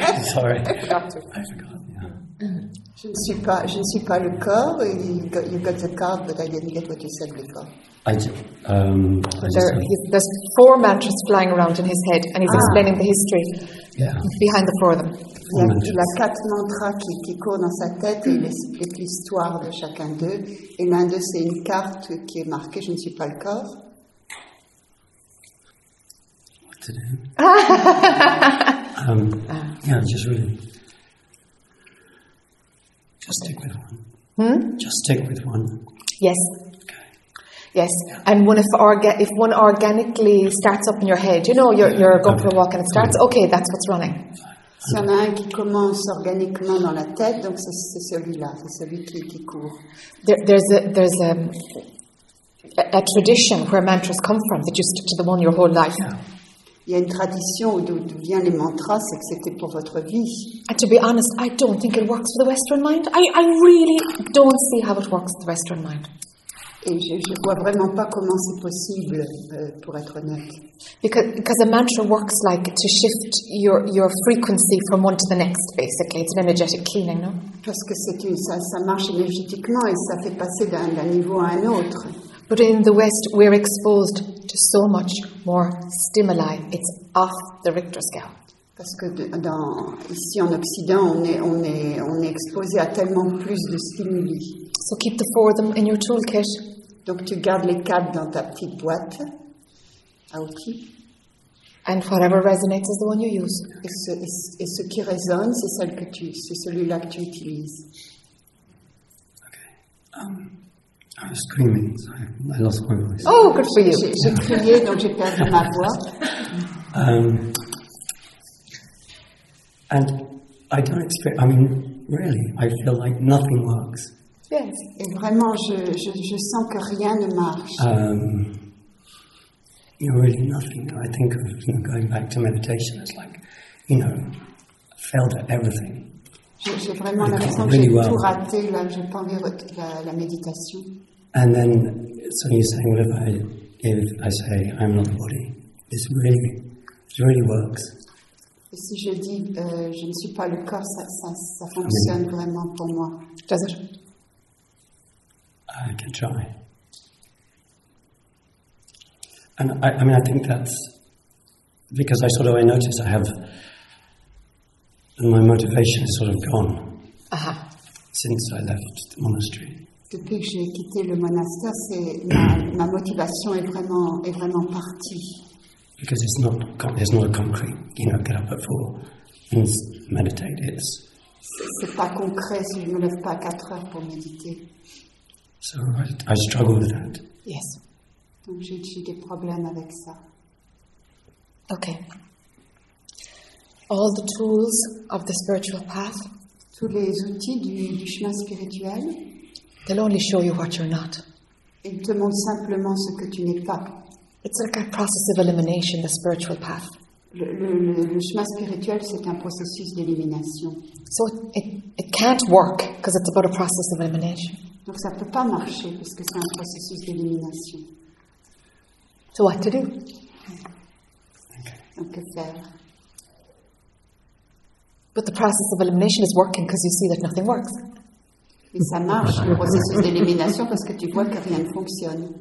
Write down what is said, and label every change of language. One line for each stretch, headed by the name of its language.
English: Sorry. I forgot. Yeah.
French: Je ne suis pas le corps.
English: You got the card, but I didn't get what you said before. There's four mantras flying around in his head, and he's explaining the history behind the four of them.
French: Il a quatre mantras qui courent dans sa tête et il explique l'histoire de chacun d'eux. Et l'un d'eux, c'est une carte qui est marquée « Je ne suis pas le corps ».
English: What to do? Just stick with one. Just stick with one. Yes. Yes, and if one organically starts up in your head, you know, you're going for a walk and it starts, okay, that's what's running.
French: Si y en a un qui commence organiquement dans la tête, donc c'est celui-là, c'est celui qui court.
English: There's a tradition where mantras come from, that you stick to the one your whole life.
French: Il y a une tradition d'où viennent les mantras, c'est que c'était pour votre vie.
English: And to be honest, I don't think it works for the Western mind. I really don't see how it works for the Western mind.
French: Et je vois vraiment pas comment c'est possible, pour être honnête.
English: Because a mantra works like to shift your frequency from one to the next, basically. It's an energetic cleaning, no?
French: Parce que ça marche énergétiquement et ça fait passer d'un niveau à un autre.
English: But in the West, we're exposed to so much more stimuli. It's off the Richter scale.
French: Parce que ici en Occident, on est exposé à tellement plus de stimuli.
English: So keep the four of them in your toolkit.
French: Donc tu gardes les quatre dans ta petite boîte à outils.
English: And whatever resonates is the one you use.
French: Et ce qui résonne, c'est celui-là que tu utilises.
English: Okay. I'm screaming. Sorry. I lost my voice. Oh, good for you.
French: J'ai crié, donc j'ai perdu ma voix.
English: And I don't expect. I mean, really, I feel like nothing works. Yes.
French: Et vraiment, je sens que rien ne marche.
English: Really nothing. I think of going back to meditation. It's like, failed at everything.
French: J'ai vraiment l'impression que j'ai tout raté. Là, je n'ai pas envie de la méditation.
English: And then, so you're saying, what if I say I'm not the body? It really works.
French: Si je dis je ne suis pas le corps, ça fonctionne vraiment pour moi.
English: Does it? I can try. And I mean, I think that's because I notice I have my motivation is sort of gone since I left the monastery.
French: Depuis que j'ai quitté le monastère, ma motivation est vraiment partie.
English: Because it's not a concrete, get up at four and meditate.
French: C'est pas concret si je me lève pas à 4 heures pour méditer.
English: So I struggle with that. Yes.
French: Donc j'ai des problèmes avec ça.
English: Okay. All the tools of the spiritual path.
French: Tous les outils du chemin spirituel.
English: They'll only show you what you're not.
French: Ils te montrent simplement ce que tu n'es pas.
English: It's like a process of elimination, the spiritual path.
French: Le chemin spirituel, c'est un processus d'élimination.
English: So it can't work because it's about a process of elimination.
French: Donc ça peut pas marcher parce que c'est un processus d'élimination.
English: So what to do? Okay.
French: Donc que faire?
English: But the process of elimination is working because you see that nothing works.
French: Et ça marche, le processus d'élimination, parce que tu vois que rien ne fonctionne.